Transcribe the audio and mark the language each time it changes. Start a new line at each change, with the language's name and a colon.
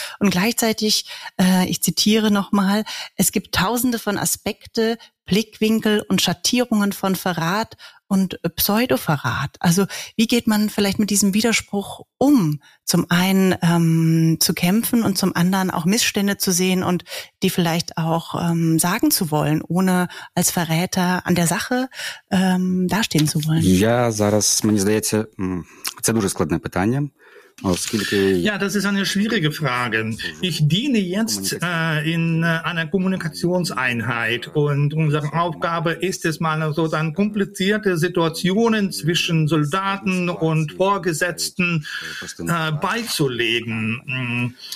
German: Und gleichzeitig, ich zitiere nochmal, es gibt tausende von Aspekte, Blickwinkel und Schattierungen von Verrat und Pseudo-Verrat. Also wie geht man vielleicht mit diesem Widerspruch um, zum einen zu kämpfen und zum anderen auch Missstände zu sehen und die vielleicht auch sagen zu wollen, ohne als Verräter an der Sache dastehen zu wollen?
Ukrainian: Ja, зараз мені здається, це дуже складне питання.
German: Ja, das ist eine schwierige Frage. Ich diene jetzt in einer Kommunikationseinheit und unsere Aufgabe ist es mal so, dann komplizierte Situationen zwischen Soldaten und Vorgesetzten beizulegen.